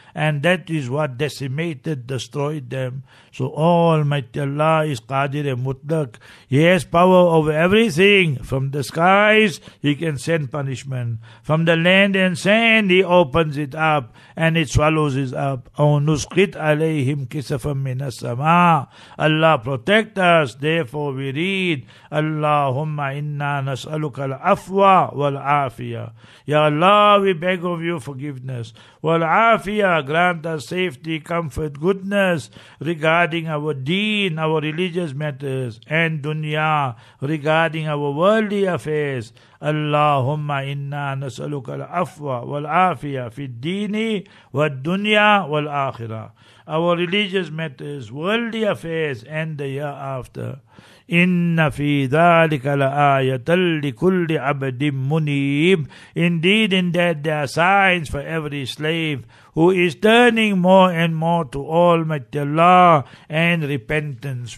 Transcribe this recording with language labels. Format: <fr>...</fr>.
<en>And that is what decimated, destroyed them. So Almighty Allah is Qadir and Mutlak. He has power over everything. From the skies, He can send punishment. From the land and sand, He opens it up and it swallows it up.</en> <ar>أَوْ نُسْقِطْ عَلَيْهِمْ كِسَفًا مِّنَ السَّمَاءِ</ar> <en>Allah protect us. Therefore we read,</en> <ar>اللهم إنا نسألك العفو والعافية.</ar> <en>Ya Allah, we beg of you forgiveness.</en> <ar>والعافية,</ar> <en>grant us safety, comfort, goodness regarding our deen, our religious matters, and dunya regarding our worldly affairs.</en> <ar>اللهم إنا نسألك العفو والعافية في الدين والدنيا والآخرة.</ar> <en>Our religious matters, worldly affairs, and the year after.</en> <ar>إِنَّ فِي ذَلِكَ لَآيَةً لِكُلِّ عَبْدٍ مُنِيبٍ</ar> <en>Indeed, in that there are signs for every slave who is turning more and more to Almighty Allah and repentance.</en>